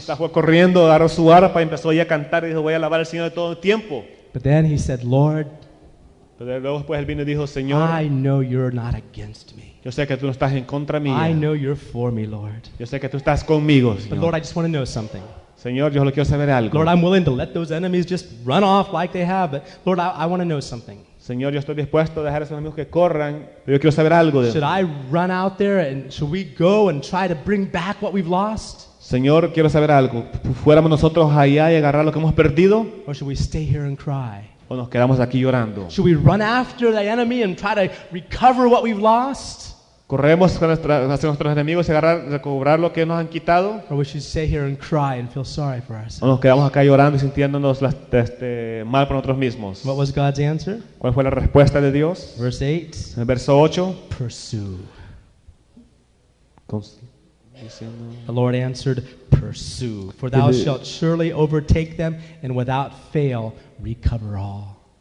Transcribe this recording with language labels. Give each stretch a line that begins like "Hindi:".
Spanish: Quizás fue corriendo, agarró su arpa y empezó a cantar y dijo, voy a alabar al Señor de todo el tiempo.
English: But then he said, Lord,
Spanish: dijo, Señor,
English: I know you're not against me.
Spanish: Yo sé que tú no estás en contra mía.
English: I know you're for me, Lord.
Spanish: Yo sé que tú estás conmigo, Señor.
English: But Lord, I just want to know something.
Spanish: Señor, yo solo quiero saber algo.
English: Lord, I'm willing to let those enemies just run off like they have, but Lord, I want to know something.
Spanish: Señor, yo estoy dispuesto a dejar a esos enemigos que corran, pero yo quiero saber algo.
English: Should I run out there and should we go and try to bring back what we've lost?
Spanish: Señor, quiero saber algo. ¿Fuéramos nosotros allá y agarrar lo que hemos perdido?
English: Or should we stay here and cry?
Spanish: ¿O nos quedamos aquí llorando?
English: Should we run after the enemy and try to recover what we've lost?
Spanish: ¿Corremos hacia nuestros enemigos y agarrar, recobrar lo que nos han quitado?
English: Or we should stay here and cry and feel sorry for ourselves?
Spanish: ¿O nos quedamos acá llorando y sintiéndonos mal por nosotros mismos?
English: What was God's answer?
Spanish: ¿Cuál fue la respuesta de Dios?
English: Verse 8.
Spanish: En el verso 8.
English: Pursue. The Lord answered, pursue. For thou shalt surely overtake them and without fail recover all.